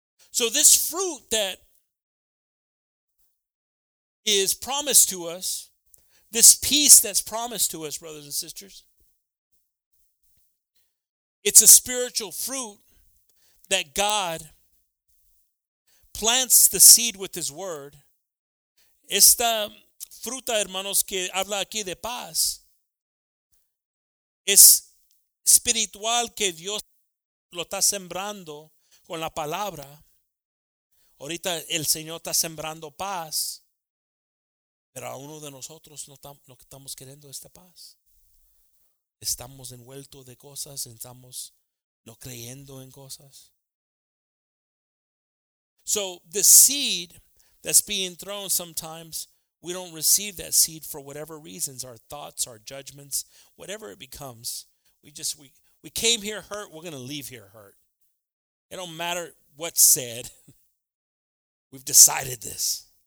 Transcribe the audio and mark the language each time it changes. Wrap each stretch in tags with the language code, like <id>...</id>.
<en>So this fruit that is promised to us, this peace that's promised to us, brothers and sisters, it's a spiritual fruit that God plants the seed with his word.</en> <es>Esta fruta, hermanos, que habla aquí de paz, es espiritual que Dios lo está sembrando con la palabra. Ahorita el Señor está sembrando paz, pero a uno de nosotros no estamos queriendo esta paz. Estamos envueltos de cosas, estamos no creyendo en cosas.</es> <en>So the seed that's being thrown, sometimes we don't receive that seed for whatever reasons, our thoughts, our judgments, whatever it becomes. We came here hurt, we're going to leave here hurt. It don't matter what's said. We've decided this.</en>